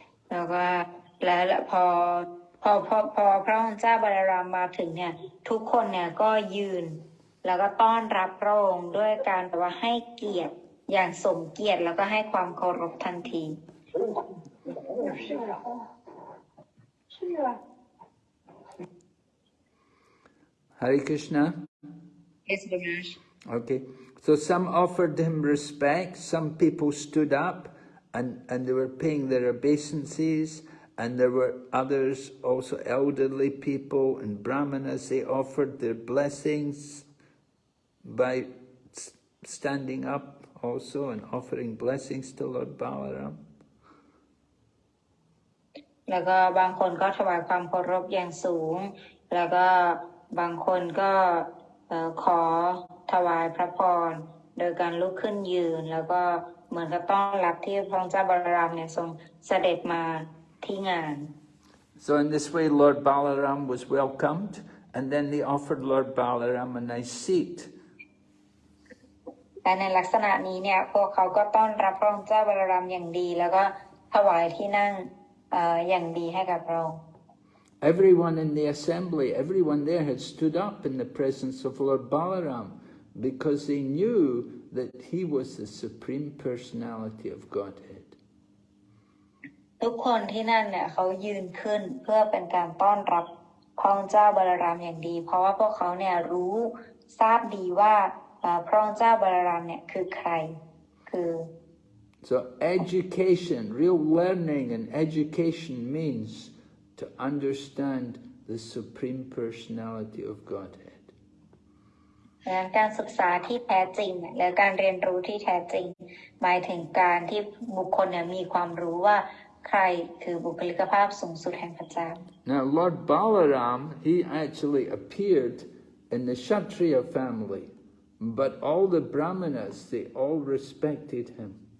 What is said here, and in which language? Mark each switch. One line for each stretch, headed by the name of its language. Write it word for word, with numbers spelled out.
Thai: แล้วก็และและพอพอพอพอพระองค์เจ้าบาลารามมาถึงเนี่ยทุกคนเนี่ยก็ยืน แล้วก็ต้อนรับพระองค์ด้วยการแบบว่าให้เกียรติอย่างสมเกียรติแล้วก็ให้ความเคารพทันที
English: Hare Krishna. เอสเดมาช Okay, so some offered him respect, some people stood up and, and they were paying their obeisances, and there were others, also elderly people and brahmanas, they offered their blessings by s- standing up also and offering blessings to Lord Balaram.
Thai: แล้วก็บางคนก็ถวายความเคารพอย่างสูง แล้วก็บางคนก็เอ่อขอถวายพระพร โดยการลุกขึ้นยืน แล้วก็เหมือนกับต้อนรับที่พระองค์เจ้าบารามเนี่ยทรงเสด็จมาที่งาน
English: So in this way, Lord Balaram was welcomed, and then they offered Lord Balaram a nice seat.
Thai: และในลักษณะนี้เนี่ยพวกเขาก็ต้อนรับพระองค์เจ้าบารามอย่างดี แล้วก็ถวายที่นั่งเอ่ออย่างดีให้กับพระองค์
English: Everyone in the assembly, everyone there had stood up in the presence of Lord Balaram because they knew that he was the Supreme Personality of Godhead.
Thai: ทุกคนที่นั่นเนี่ยเขายืนขึ้นเพื่อเป็นการต้อนรับพระองค์เจ้าบาลารามอย่างดี เพราะว่าพวกเขาเนี่ยรู้ทราบดีว่าเอ่อพระองค์เจ้าบาลารามเนี่ยคือใคร คือ
English: So education, real learning and education means to understand the Supreme Personality of Godhead.
Thai: ดังนั้นการศึกษาที่แท้จริงเนี่ยและการเรียนรู้ที่แท้จริง หมายถึงการที่บุคคลเนี่ยมีความรู้ว่าใครคือบุคลิกภาพสูงสุดแห่งพระเจ้า
English: Now Lord Balaram, he actually appeared in the Kshatriya family, but all the Brahmanas, they all respected him.